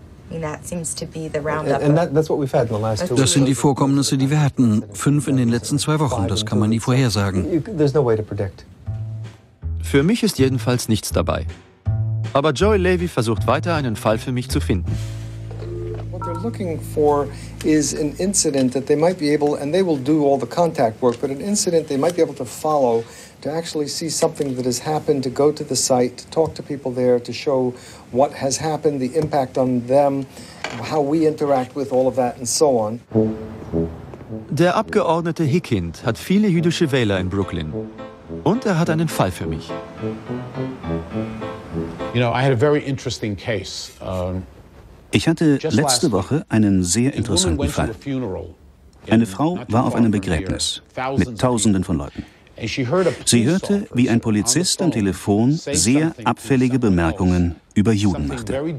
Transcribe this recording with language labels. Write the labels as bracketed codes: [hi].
[de] Das sind die Vorkommnisse, die wir hatten. 5 in den letzten 2 Wochen, das kann man nie vorhersagen. Für mich ist jedenfalls nichts dabei. Aber Joey Levy versucht weiter, einen Fall für mich zu finden. [en] looking for is an incident that they might be able, and they will do all the contact work, but an incident they might be able to follow to actually see something that has happened, to go to the site, to talk to people there, to show what has happened, the impact on them, how we interact with all of that and so on. [de] Der Abgeordnete Hickind hat viele jüdische Wähler in Brooklyn. Und er hat einen Fall für mich. [en] You know, I had a very interesting case. [de] Ich hatte letzte Woche einen sehr interessanten Fall. Eine Frau war auf einem Begräbnis mit Tausenden von Leuten. Sie hörte, wie ein Polizist am Telefon sehr abfällige Bemerkungen über Juden machte.